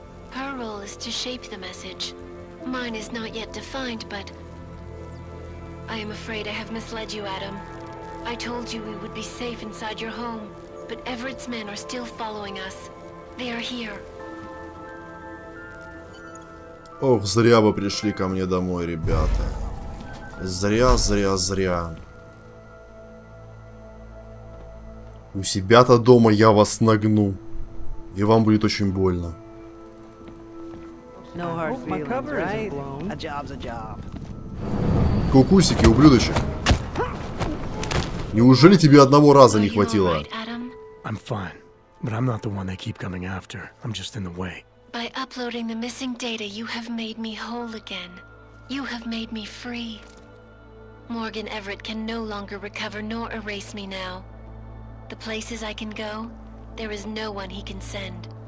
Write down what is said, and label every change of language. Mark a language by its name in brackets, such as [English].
[English] Her role is to shape the message. Mine is not yet defined, but... I am afraid I have misled you, Adam. I told you we would be safe inside your home, but Everett's men are still following us. They are here. [Russian] Ох, зря вы пришли ко мне домой, ребята. Зря. У себя-то дома я вас нагну. И вам будет очень больно. [English] No hard feelings, right? A job's a job. [Russian] Кукусики, ублюдочек. Неужели тебе одного раза не хватило? [English] I'm fine, but I'm not the one they keep coming after. I'm just in the way. By uploading the missing data, you have made me whole again. You have made me free. Morgan Everett can no longer recover nor erase me now. The places I can go, there is no one he can send.